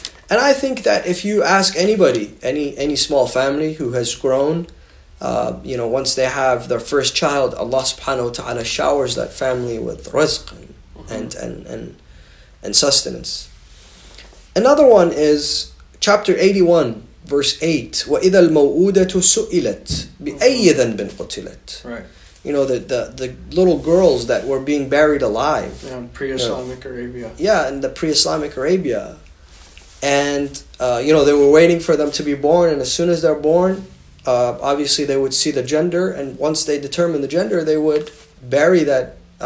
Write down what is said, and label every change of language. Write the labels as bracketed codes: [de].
[en] And I think that if you ask anybody, any small family who has grown, you know, once they have their first child, Allah subhanahu wa ta'ala showers that family with rizq and sustenance. Another one is chapter 81. Verse 8, [ar] وَإِذَا الْمَوْءُودَةُ سُئِلَتْ بِأَيِّ ذَنْبٍ قُتِلَتْ. [en] Right. You know, the little girls that were being buried alive. Yeah, in pre-Islamic Arabia. Yeah, in the pre-Islamic Arabia. And, you know, they were waiting for them to be born. And as soon as they're born, obviously they would see the gender. And once they determine the gender, they would bury that